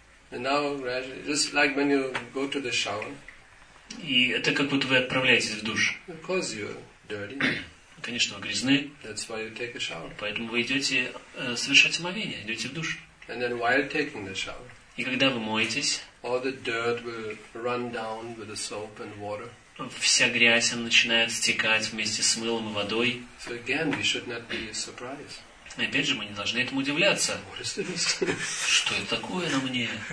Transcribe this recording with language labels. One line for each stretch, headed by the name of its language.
English: And now, just like when you go to the shower.
Russian: И это как будто вы отправляетесь в душ.
English: Of course you're dirty.
Russian: Конечно, вы грязны.
English: That's why you take a shower.
Russian: Поэтому вы идете совершать омовение, идете в душ.
English: And then while taking the shower.
Russian: И когда вы моетесь.
English: All the dirt will run down with the soap and water.
Russian: Вся грязь начинает стекать вместе с мылом и водой.
English: So again, we should not be surprised.
Russian: Опять же, мы не должны этому удивляться. Что это такое на мне?